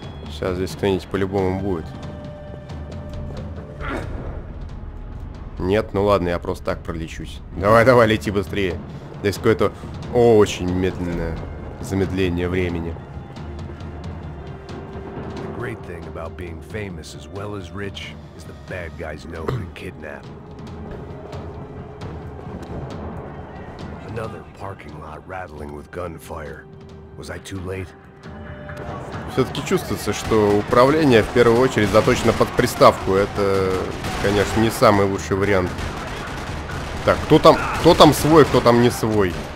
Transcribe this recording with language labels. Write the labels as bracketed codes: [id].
[ru] Сейчас здесь кто-нибудь по-любому будет. Нет, ну ладно, я просто так пролечусь. Давай, давай, лети быстрее. Здесь какое-то очень медленное замедление времени. [en] The great thing about being famous as well as rich is the bad guys know who to kidnap. Another parking lot rattling with gunfire. Was I too late? [ru] Все-таки чувствуется, что управление в первую очередь заточено под приставку. Это, конечно, не самый лучший вариант. Так, кто там свой, кто там не свой?